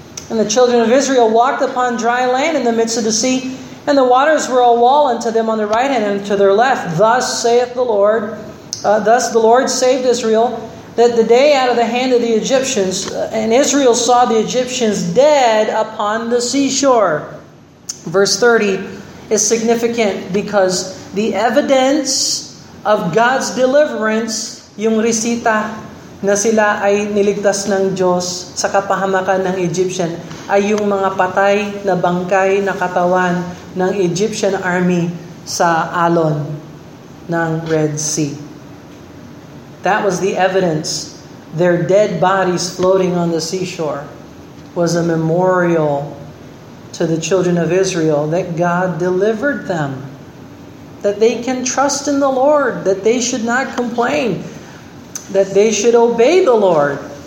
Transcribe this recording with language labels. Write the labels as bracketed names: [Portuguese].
[English] And the children of Israel walked upon dry land in the midst of the sea, and the waters were a wall unto them on the right hand and to their left. Thus saith the Lord, thus the Lord saved Israel that the day out of the hand of the Egyptians, and Israel saw the Egyptians dead upon the seashore. Verse 30 is significant because the evidence of God's deliverance, [Filipino] yung resita na sila ay niligtas ng Diyos sa kapahamakan ng Egyptian, ay yung mga patay na bangkay na katawan ng Egyptian army sa alon ng Red Sea. [English] That was the evidence. Their dead bodies floating on the seashore was a memorial to the children of Israel that God delivered them, that they can trust in the Lord, that they should not complain, that they should obey the Lord.